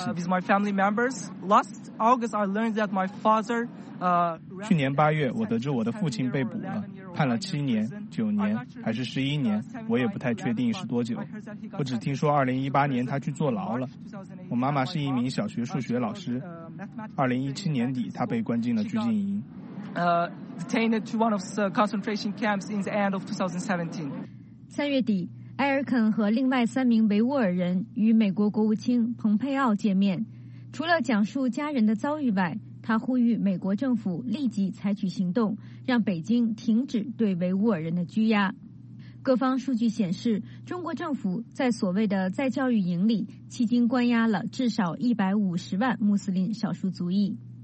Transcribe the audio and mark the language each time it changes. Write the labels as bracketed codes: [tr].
[zh] 去年8月，我得知我的父亲被捕了，判了7年、9年还是11年，我也不太确定是多久。我只听说2018年他去坐牢了。我妈妈是一名小学数学老师。 2017年底，他被关进了拘禁营。 [en] Detained to one of the concentration camps in the end of 2017. [zh] 3月底，埃尔肯和另外3名维吾尔人与美国国务卿蓬佩奥见面。除了讲述家人的遭遇外，他呼吁美国政府立即采取行动，让北京停止对维吾尔人的拘押。各方数据显示，中国政府在所谓的再教育营里，迄今关押了至少150万穆斯林少数族裔。